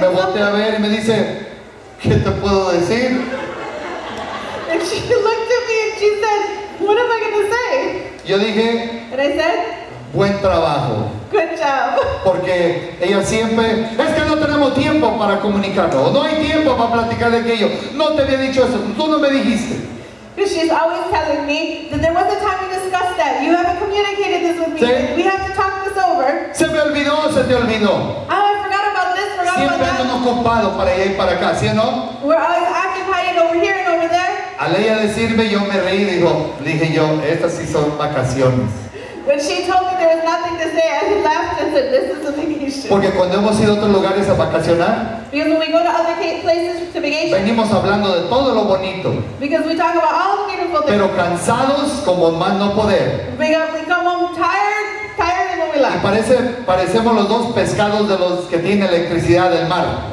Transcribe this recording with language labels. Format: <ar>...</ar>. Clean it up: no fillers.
<es>Me volteé a ver y me dice, ¿qué te puedo decir?</es> <en>And she looked at me and she said, what am I going to say?</en> <es>Yo dije,</es> <en>and I said,</en> <es>buen trabajo.</es> <en>Good job.</en> <es>Porque ella siempre, es que no tenemos tiempo para comunicarlo. No hay tiempo para platicar de aquello. No te había dicho eso. Tú no me dijiste.</es> <en>Because she's always telling me that there was a time to discuss that. You haven't communicated this with me.</en> <es>¿Sí?</es> <en>We have to talk this over.</en> <es>Se me olvidó, se te olvidó.</es> <en>Oh, I forgot about this, forgot</en> <es>siempre</es> <en>about that.</en> <es>Siempre estamos ocupados para allá y para acá, ¿sí o no?</es> <en>We're always occupied over here and over there.</en> <es>Al ella decirme, yo me reí, dijo, dije yo, estas sí son vacaciones.</es> <en>When she told me there was nothing to say, I laughed and said, this is a vacation.</en> <es>Porque cuando hemos ido a otros lugares a vacacionar,</es> <en>because when we go to other places to vacation,</en> <es>venimos hablando de todo lo bonito.</es> <en>Because we talk about all the beautiful things.</en> <es>Pero cansados como más no poder.</es> <en>Because we come home tired, tired than when we left.</en> <es>Y parecemos los dos pescados de los que tiene electricidad del mar.</es>